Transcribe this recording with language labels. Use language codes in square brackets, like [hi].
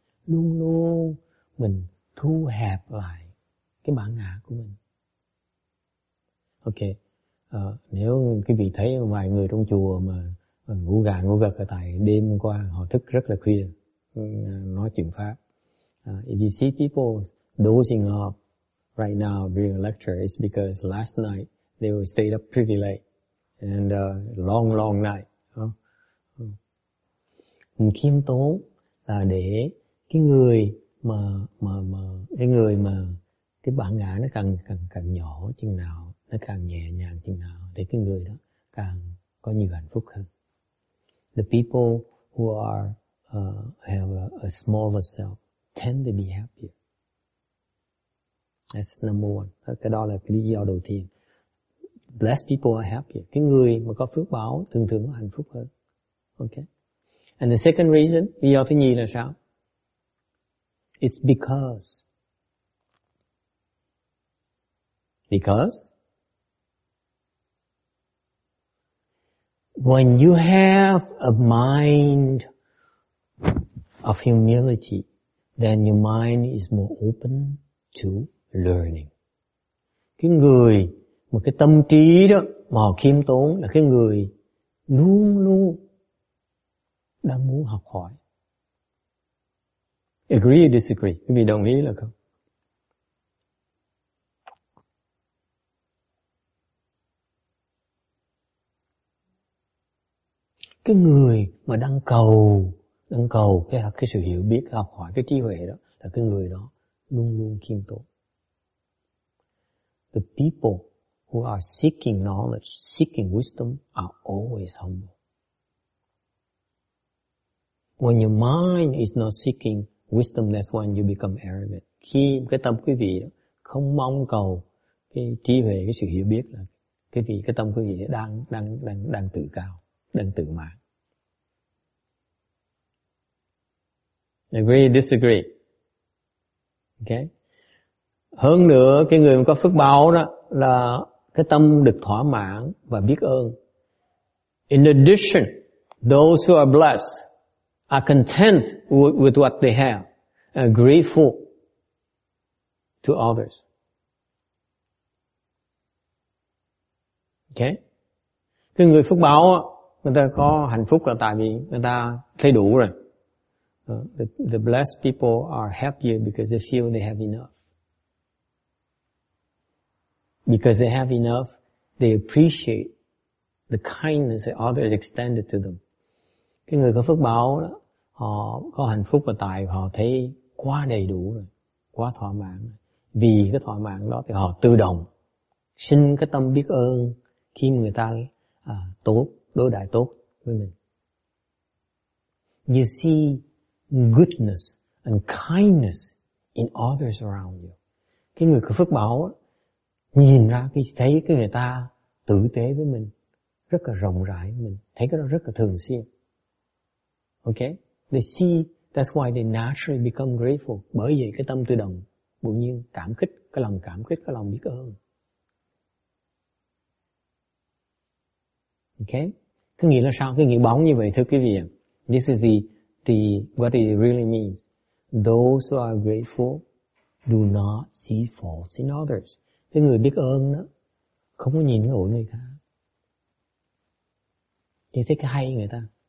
[vi] Luôn luôn mình thu hẹp lại cái bản ngã của mình. Ok. Nếu quý vị thấy vài người trong chùa mà ngủ gà ngủ gật ở tại đêm qua, họ thức rất là khuya nói chuyện pháp. [en] If you see people dozing off right now during a lecture, it's because last night they were stayed up pretty late. And long night. [vi] Mình khiêm tốn là để cái người mà cái bản ngã nó càng nhỏ chừng nào, nó càng nhẹ nhàng chừng nào, để cái người đó càng có nhiều hạnh phúc hơn. [en] The people who are have a smaller self tend to be happier. That's number one. [vi] Cái đó là cái lý do đầu tiên. [en] Blessed people are happier. [vi] Cái người mà có phước báo thường thường có hạnh phúc hơn. Okay. [en] And the second reason, [vi] lý do thứ nhì là sao? [en] It's because. Because. When you have a mind of humility, then your mind is more open to learning. [vi] Cái người một cái tâm trí đó mà họ khiêm tốn là cái người luôn luôn đang muốn học hỏi. [en] Agree or disagree? [vi] Quý vị đồng ý là không? Cái người mà đang cầu cái sự hiểu biết, cái học hỏi, cái trí huệ đó là cái người đó luôn luôn khiêm tốn. [en] The people who are seeking knowledge, seeking wisdom, are always humble. When your mind is not seeking wisdom, that's when you become arrogant. [vi] Khi cái tâm quý vị không mong cầu cái trí huệ, cái sự hiểu biết, là quý vị, cái tâm quý vị đang tự cao, đang tự mãn. [en] Agree, disagree? [vi] Okay. Hơn nữa, cái người mà có phước báo đó là cái tâm được thỏa mãn và biết ơn. [en] In addition, those who are blessed are content with what they have and grateful to others. Ok. [vi] Cái người phước báo á, người ta có hạnh phúc là tại vì người ta thấy đủ rồi. [en] The blessed people are happier because they feel they have enough. Because they have enough, they appreciate the kindness that others extended to them. [vi] Cái người có phước báo đó, họ có hạnh phúc và tài, họ thấy quá đầy đủ rồi, quá thỏa mãn. Vì cái thỏa mãn đó thì họ tự động sinh cái tâm biết ơn khi người ta tốt, đối đãi tốt với mình. [en] You see goodness and kindness in others around you. [vi] Cái người có phước báo nhìn ra cái thấy cái người ta tử tế với mình, rất là rộng rãi với mình, thấy cái đó rất là thường xuyên. [en] Okay, they see, that's why they naturally become grateful. [vi] Bởi vậy cái tâm tự động bỗng nhiên cảm kích, cái lòng cảm kích, cái lòng biết ơn. Okay, cái nghĩa là sao? Cái nghĩa bóng như vậy thưa quý vị. [en] This is the what it really means. Those who are grateful do not see faults in others. [vi] Cái người biết ơn đó không có nhìn lỗi người khác. Thì thấy cái hay người ta.